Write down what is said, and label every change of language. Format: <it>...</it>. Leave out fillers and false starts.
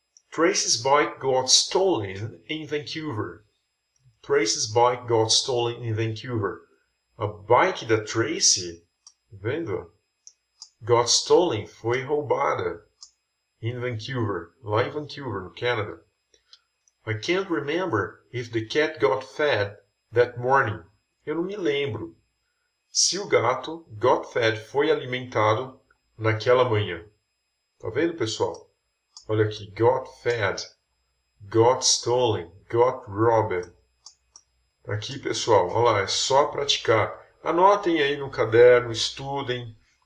<en>Tracy's bike got stolen in Vancouver. Tracy's bike got stolen in Vancouver.</en> <pt>A bike da Tracy, vendo?</pt> <en>Got stolen,</en> <pt>foi roubada</pt> <en>in Vancouver,</en> <pt>lá em Vancouver, no Canadá.</pt> <en>I can't remember if the cat got fed that morning.</en> <pt>Eu não me lembro se o gato</pt> <en>got fed</en> <pt>foi alimentado naquela manhã. Tá vendo, pessoal? Olha aqui,</pt> <en>got fed, got stolen, got robbed.</en> <pt>Aqui, pessoal, olha lá, é só praticar. Anotem aí no caderno, estudem.</pt>